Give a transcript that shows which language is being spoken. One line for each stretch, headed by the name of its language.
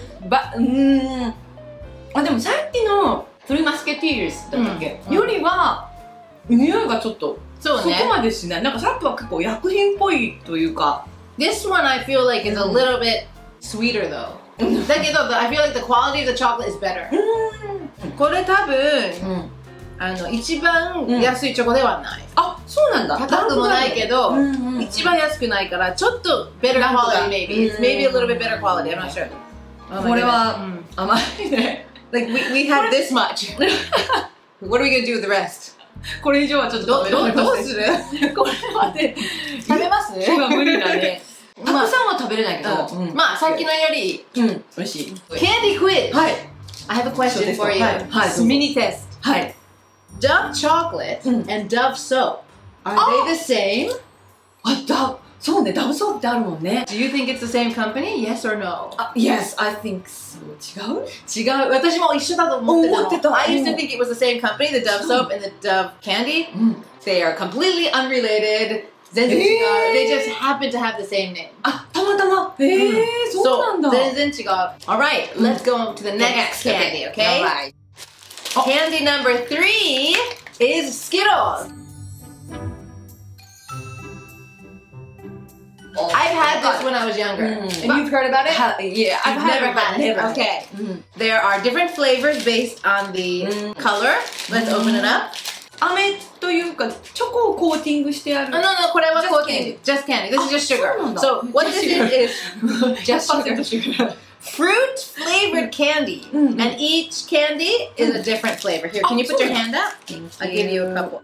Japanese: But あでもさっきのトリマスケティーズだったっけ、よりは匂いがちょっとそこまでしない。なんかさっきは結構薬品っぽいというか。
English: This one I feel like is a little bit sweeter though.
Japanese: だけど、
English: I feel like the quality of the chocolate is better.
Japanese: これ多分、あの一番安いチョコではない。あ、そうなんだ。高くもないけど、一番安くないから、ちょっと
English: better quality maybe. Maybe a little bit better quality, I'm not sure.
Japanese: これは甘いね。
English: Like, we have this much. What are we gonna do with the rest?
Japanese: これ以上はちょっと食べられません。どうする？これまで食べます？今無理だね。たくさんは食べれないけど、まあさっきのより美味しい。
English: Candy quiz。
Japanese: はい。
English: I have a question for you.
Japanese: はい。
English: Mini test。
Japanese: はい。
English: Dove chocolate and Dove soap. Are they the same?
Japanese: あ、Dove。そうね。Dove soap ってあるもんね。
English: Do you think it's the same company? Yes or no? Yes, I think so.
Japanese: 違う？私も一緒だと思ってた。
English: I used to think it was the same company, the Dove soap and the Dove candy. They are completely unrelated.
Japanese: 全然違う。
English: They just happen to have the same name.
Japanese: あ、たまたま。へえ、そうなんだ。全然違う。
English: All right, let's go to the next candy, okay? Candy number three is Skittles. I've had this when I was younger. And you've heard about it? Yeah, I've never had it. Okay. There are different flavors based on the color. Let's open it up.
Japanese: Ame というか、チョコをコーティングしてある。
English: No,
Japanese: これはコーティング。
English: Just candy. This is just sugar. So what this is just sugar. Fruit flavored candy. And each candy is a different flavor. Here, can you put your hand up? I'll give you a couple.